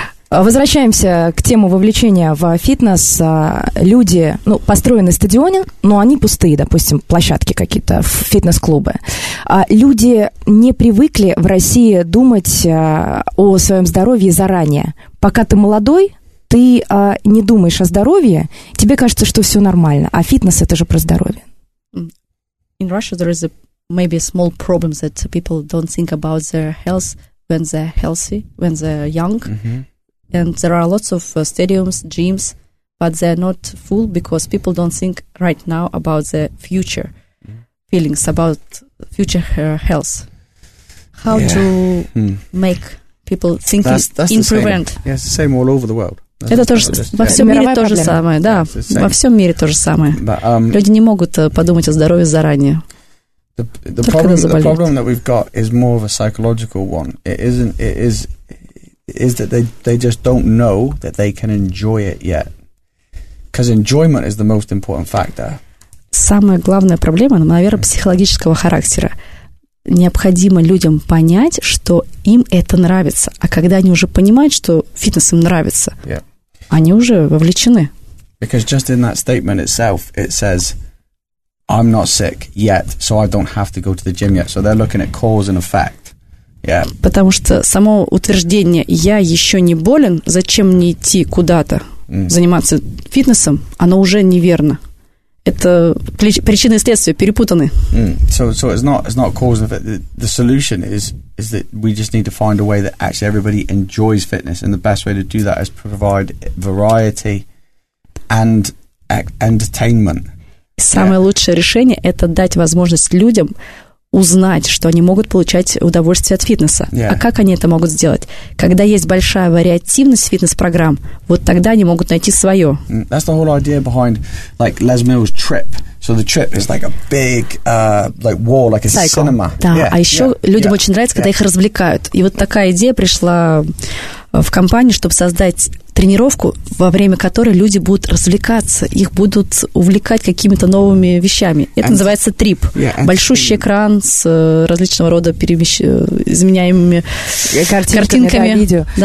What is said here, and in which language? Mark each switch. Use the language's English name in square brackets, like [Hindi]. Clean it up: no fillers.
[Russian] Возвращаемся к теме вовлечения в фитнес. Люди, ну, построены стадионы, но они пустые, допустим, площадки какие-то, фитнес-клубы. Люди не привыкли в России думать о своем здоровье заранее. Пока ты молодой, ты не думаешь о здоровье, тебе кажется, что все нормально, а фитнес это же про здоровье. [English] In Russia there is a maybe a small problem that people don't think about their health when they're healthy, when they're young. Mm-hmm. And there are lots of stadiums, gyms, but they're not full because people don't think right now about their future feelings, about future health. How to make people think in prevent? Yeah, it's the same all over the world. [Russian] Это тоже, во всем мире то же самое, да, во всем мире то же самое. Люди не могут подумать о здоровье заранее. [English] The problem that we've got is more of a psychological one. It is that they just don't know that they can enjoy it yet. Because enjoyment is the most important factor. [Russian] Самая главная проблема, наверное, психологического характера. Необходимо людям понять, что им это нравится. А когда они уже понимают, что фитнес им нравится, они уже вовлечены. [English] Because just in that statement itself, it says I'm not sick yet, so I don't have to go to the gym yet. So they're looking at cause and effect. Yeah. [Russian] Потому что само утверждение «я еще не болен, зачем мне идти куда-то заниматься фитнесом», оно уже неверно. Это причины и следствия перепутаны. [English] So it's not cause and effect. The solution is that we just need to find a way that actually everybody enjoys fitness, and the best way to do that is provide variety and entertainment. [Russian] Самое лучшее решение – это дать возможность людям узнать, что они могут получать удовольствие от фитнеса. [English] Yeah. [Russian] А как они это могут сделать? Когда есть большая вариативность фитнес-программ, вот тогда они могут найти свое. [English] That's the whole idea behind, like, Les Mills Trip. So the trip is like a big, like, wall, like a cycle. Cinema. [Russian] Да, yeah. А еще людям очень нравится, когда их развлекают. И вот такая идея пришла в компанию, чтобы создать тренировку, во время которой люди будут развлекаться, их будут увлекать какими-то новыми вещами. Это называется трип. Большущий экран с различного рода изменяемыми картинками.